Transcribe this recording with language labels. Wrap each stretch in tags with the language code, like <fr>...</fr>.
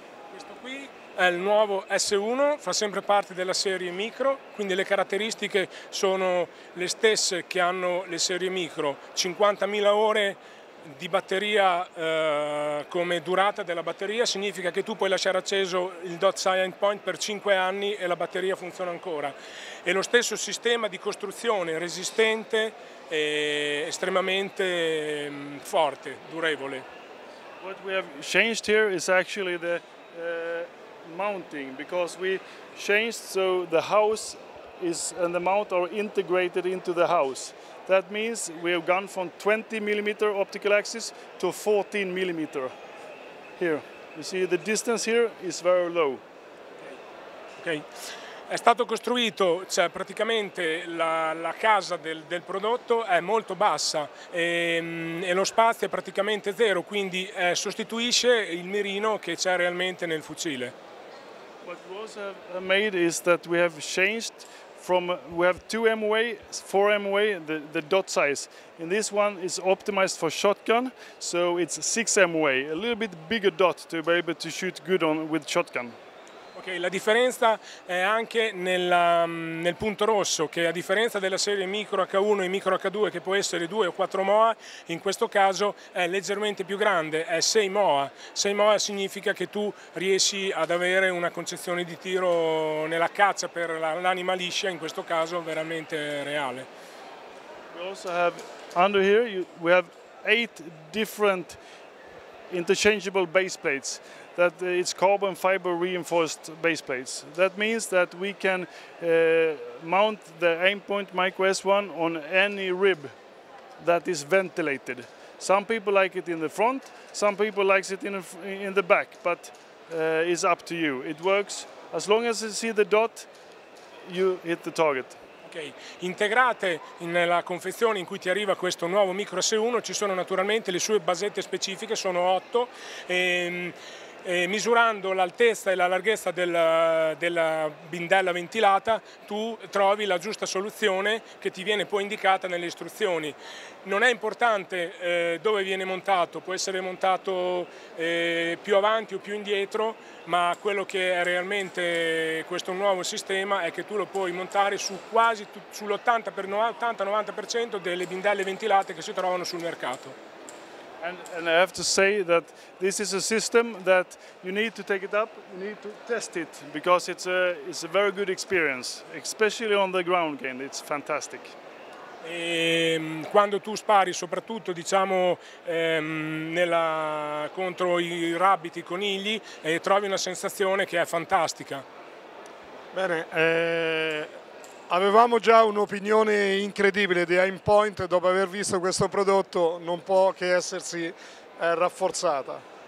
<it>Questo qui è il nuovo S1, fa sempre parte della serie micro, quindi le caratteristiche sono le stesse che hanno le serie micro, 50.000 ore di batteria come durata della batteria, significa che tu puoi lasciare acceso il dot sight point per 5 anni e la batteria funziona ancora. E lo stesso sistema di costruzione resistente e estremamente forte, durevole.</it> <en>What we have changed here is actually the mounting, because we changed so the house is and the mount are integrated into the house. That means we have gone from 20 millimeter optical axis to 14 millimeter. Here, you see the distance here is very low. Okay.</en> <it>È stato costruito, cioè praticamente la casa del prodotto è molto bassa e lo spazio è praticamente zero, quindi sostituisce il mirino che c'è realmente nel fucile.</it> <en>What was made is that we have changed from we have 2 MOA, 4 MOA, the dot size. In this one is optimized for shotgun, so it's 6 MOA, a little bit bigger dot to be able to shoot good on with shotgun.</en> <it>Ok, la differenza è anche nel punto rosso, che a differenza della serie micro H1 e micro H2, che può essere 2 o 4 MOA, in questo caso è leggermente più grande, è 6 MOA. 6 MOA significa che tu riesci ad avere una concezione di tiro nella caccia per l'anima liscia, in questo caso veramente reale.</it> <en>We also have, under here, we have 8 different interchangeable base plates. That it's carbon fiber reinforced base plates. That means that we can mount the Aimpoint Micro S1 on any rib that is ventilated. Some people like it in the front, some people likes it in the back, but it's up to you. It works as long as you see the dot, you hit the target.</en> <it>Integrate nella confezione in cui ti arriva questo nuovo micro S1 ci sono naturalmente le sue basette specifiche, sono 8, e misurando l'altezza e la larghezza della bindella ventilata tu trovi la giusta soluzione che ti viene poi indicata nelle istruzioni. Non è importante dove viene montato, può essere montato più avanti o più indietro, ma quello che è realmente questo nuovo sistema è che tu lo puoi montare su quasi sull'80-90% delle bindelle ventilate che si trovano sul mercato. And I have to say that this is a system that you need to take it up, you need to test it, because it's a very good experience, especially on the ground game, it's fantastic. E quando tu spari, soprattutto diciamo contro i rabbiti, i conigli, trovi una sensazione che è fantastica. Bene, avevamo già un'opinione incredibile di Aimpoint, dopo aver visto questo prodotto non può che essersi rafforzata.</it>